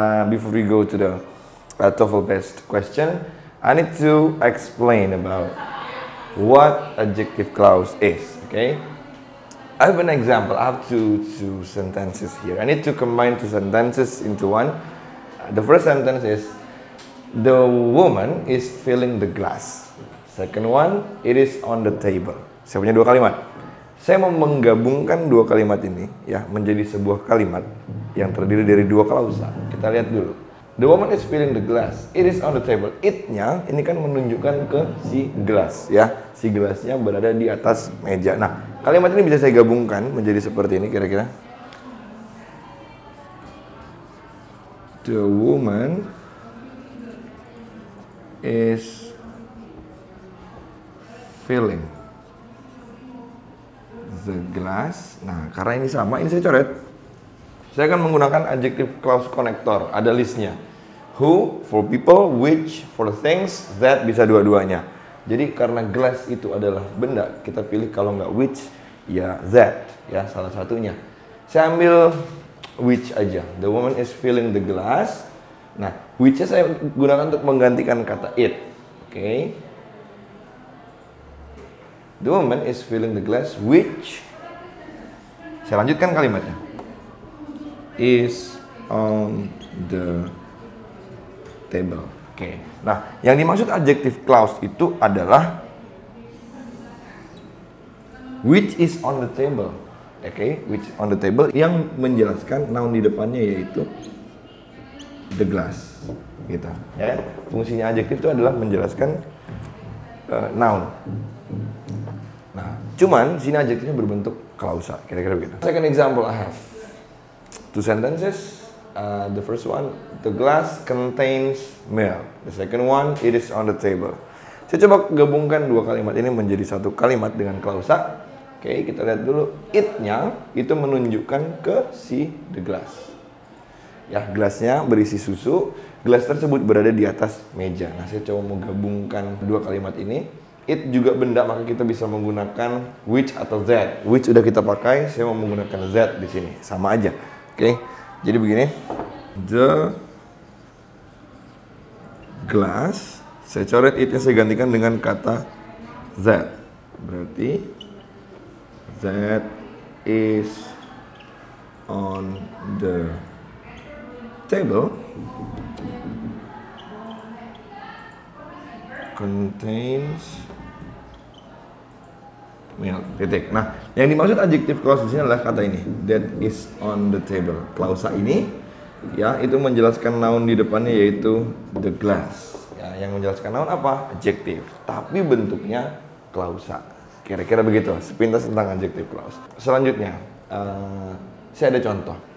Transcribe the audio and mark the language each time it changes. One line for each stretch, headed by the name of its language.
English: Before we go to the TOEFL-based question, I need to explain about what adjective clause is. Okay. I have an example. I have two sentences here. I need to combine two sentences into one. The first sentence is, the woman is filling the glass. Second one, it is on the table.
Indonesian: Saya punya dua kalimat. Saya mau menggabungkan dua kalimat ini, ya, menjadi sebuah kalimat yang terdiri dari dua klausa. Kita lihat dulu.
English: The woman is filling the glass. It is on the table. It-nya,
Indonesian: ini kan menunjukkan ke si glass, ya. Si glassnya berada di atas meja. Nah, kalimat ini bisa saya gabungkan menjadi seperti ini kira-kira.
English: The woman is filling the glass.
Indonesian: Nah, karena ini sama, ini saya coret. Saya akan menggunakan adjective clause connector. Ada listnya.
English: Who, for people, which, for things, that, bisa dua-duanya.
Indonesian: Jadi karena glass itu adalah benda, kita pilih kalau nggak which, ya that, ya salah satunya. Saya ambil
English: which aja. The woman is filling the glass.
Indonesian: Nah, which-nya saya gunakan untuk menggantikan kata it. Oke.
English: The woman is filling the glass, which,
Indonesian: saya lanjutkan kalimatnya,
English: is on the table. Oke.
Indonesian: Nah, yang dimaksud
English: adjective clause itu adalah which is on the table.
Indonesian: Oke,
English: which on the table
Indonesian: yang menjelaskan noun di depannya yaitu
English: the glass.
Indonesian: Gitu. Ya kan? Fungsinya adjective itu adalah menjelaskan noun. Nah, cuman sini adjective-nya berbentuk klausa, kira-kira begitu.
English: Second example I have. Two sentences. The first one, the glass contains milk. The second one, it is on the table.
Indonesian: Saya coba gabungkan dua kalimat ini menjadi satu kalimat dengan klausa. Oke, kita lihat dulu. It-nya itu menunjukkan ke si the glass. Ya, gelasnya berisi susu. Gelas tersebut berada di atas meja. Nah, saya coba mau gabungkan dua kalimat ini. It juga benda, maka kita bisa menggunakan which atau that. Which udah kita pakai, saya mau menggunakan that di sini. Sama aja. Oke. Jadi begini, the glass, saya coret itu, saya gantikan dengan kata that.
English: Berarti, that is on the table, contains milk.
Indonesian: Nah, yang dimaksud adjective clause di sini adalah kata ini,
English: that is on the table.
Indonesian: Klausa ini, ya, itu menjelaskan noun di depannya yaitu the glass. Ya, yang menjelaskan noun apa? Adjective. Tapi bentuknya klausa. Kira-kira begitu. Sepintas tentang adjective clause. Selanjutnya, saya ada contoh.